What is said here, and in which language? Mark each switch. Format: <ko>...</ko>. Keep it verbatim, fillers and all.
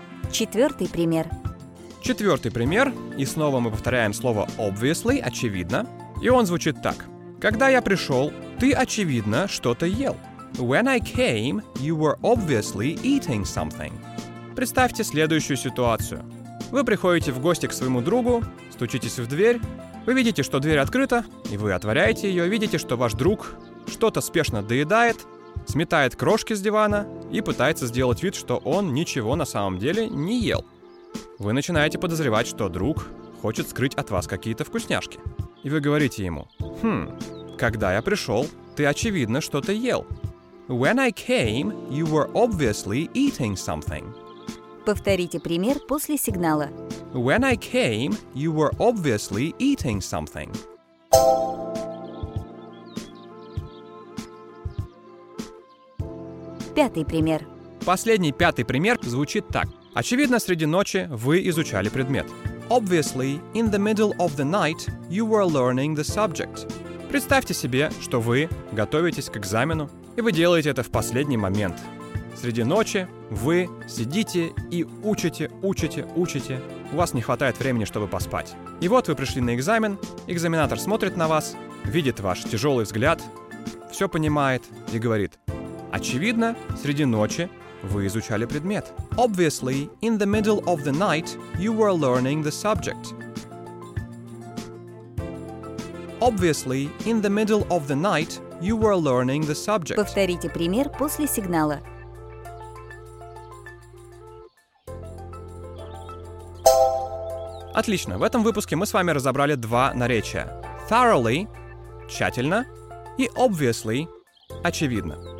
<ru>Четвертый пример. Четвертый пример. И снова мы повторяем слово obviously, очевидно. И он звучит так. Когда я пришел, ты, очевидно, что-то ел.</ru> <en>When I came, you were obviously eating something.</en> <ru>Представьте следующую ситуацию. Вы приходите в гости к своему другу, стучитесь в дверь. Вы видите, что дверь открыта, и вы отворяете ее. Видите, что ваш друг что-то спешно доедает, сметает крошки с дивана и пытается сделать вид, что он ничего на самом деле не ел. Вы начинаете подозревать, что друг хочет скрыть от вас какие-то вкусняшки. И вы говорите ему: «Хм, когда я пришел, ты, очевидно, что-то ел».</ru> <en>When I came, you were obviously eating something.</en> <ru>Повторите пример после сигнала.</ru> <en>When I came, you were obviously eating something.</en> <ru>Пятый пример. Последний пятый пример звучит так. Очевидно, среди ночи вы изучали предмет.</ru> <en>Obviously, in the middle of the night, you were learning the subject.</en> <ru>Представьте себе, что вы готовитесь к экзамену, и вы делаете это в последний момент. Среди ночи вы сидите и учите, учите, учите. У вас не хватает времени, чтобы поспать. И вот вы пришли на экзамен, экзаменатор смотрит на вас, видит ваш тяжелый взгляд, все понимает и говорит: «Очевидно, среди ночи вы изучали предмет».</ru> <en>Obviously, in the middle of the night, you were learning the subject. Obviously, in the middle of the night, you were learning the subject.</en> <ru>Повторите пример после сигнала. Отлично, в этом выпуске мы с вами разобрали два наречия. Thoroughly – тщательно, и obviously – очевидно.</ru>